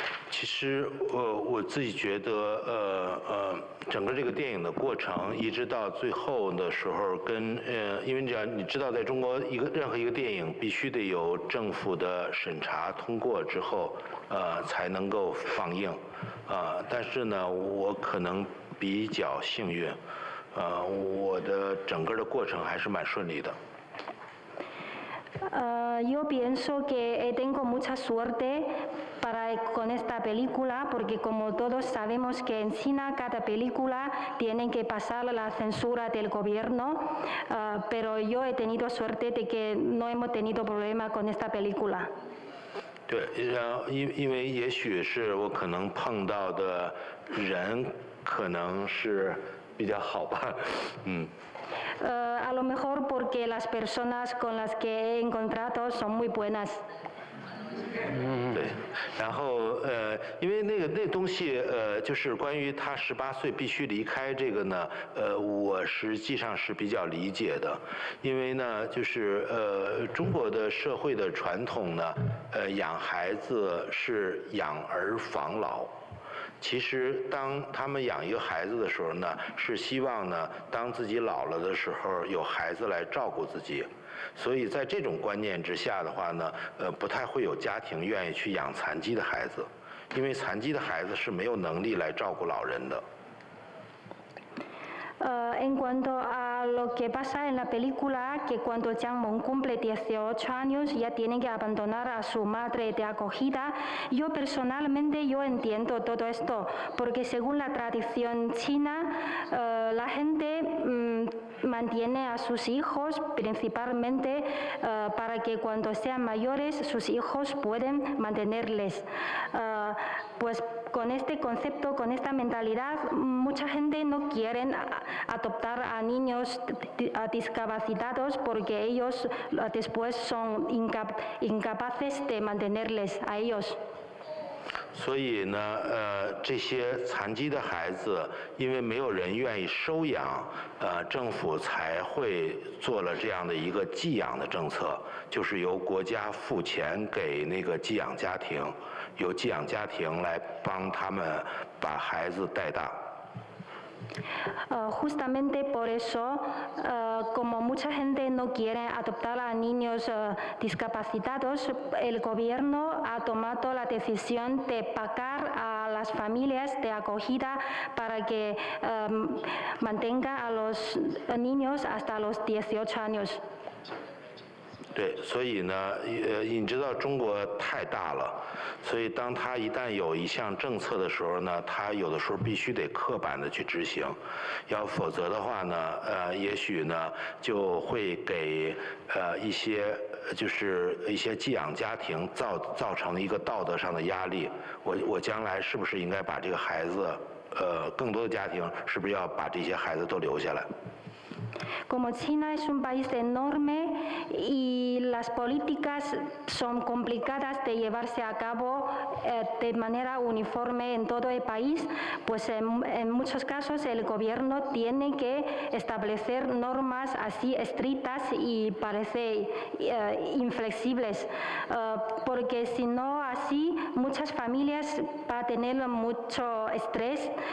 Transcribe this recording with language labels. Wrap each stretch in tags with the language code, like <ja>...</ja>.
<zh>其实我自己觉得整个这个电影的过程一直到最后的时候跟因为你知道在中国任何一个电影必须得有政府的审查通过之后才能够放映但是呢我可能比较幸运我的整个的过程还是蛮顺利的。</zh> <es>Yo pienso que tengo mucha suerte para con esta película, porque como todos sabemos que en China cada película tiene que pasar la censura del gobierno, pero yo he tenido suerte de que no hemos tenido problema con esta película.</es> <zh>对，因为也许是我可能碰到的人可能是比较好吧，</zh> <es>A lo mejor porque las personas con las que he encontrado son muy buenas.</es> <zh>对，然后因为那东西就是关于他十八岁必须离开这个呢，我实际上是比较理解的，因为呢，就是中国的社会的传统呢，养孩子是养儿防老。其实当他们养一个孩子的时候呢，是希望呢当自己老了的时候有孩子来照顾自己，所以在这种观念之下的话呢，不太会有家庭愿意去养残疾的孩子，因为残疾的孩子是没有能力来照顾老人的。</zh> <es>En cuanto a lo que pasa en la película, que cuando Jiang Meng cumple 18 años ya tiene que abandonar a su madre de acogida, yo personalmente yo entiendo todo esto, porque según la tradición china, la gente mantiene a sus hijos principalmente para que cuando sean mayores sus hijos puedan mantenerles. Pues con este concepto, con esta mentalidad, mucha gente no quiere adoptar a niños discapacitados porque ellos después son incapaces de mantenerles a ellos.</es> <zh>所以呢，这些残疾的孩子，因为没有人愿意收养，政府才会做了这样的一个寄养的政策，就是由国家付钱给那个寄养家庭，由寄养家庭来帮他们把孩子带大。</zh> <es>Justamente por eso, como mucha gente no quiere adoptar a niños discapacitados, el gobierno ha tomado la decisión de pagar a las familias de acogida para que mantenga a los niños hasta los 18 años.</es> <zh>对，所以呢，你知道中国太大了。所以当他一旦有一项政策的时候呢，他有的时候必须得刻板的去执行，要否则的话呢，也许呢就会给一些就是一些寄养家庭造成一个道德上的压力，我将来是不是应该把这个孩子更多的家庭是不是要把这些孩子都留下来。</zh> <es>Como China es un país enorme y las políticas son complicadas de llevarse a cabo de manera uniforme en todo el país, pues en muchos casos el gobierno tiene que establecer normas así estrictas y parece inflexibles, porque si no así muchas familias van a tener mucho estrés,</es>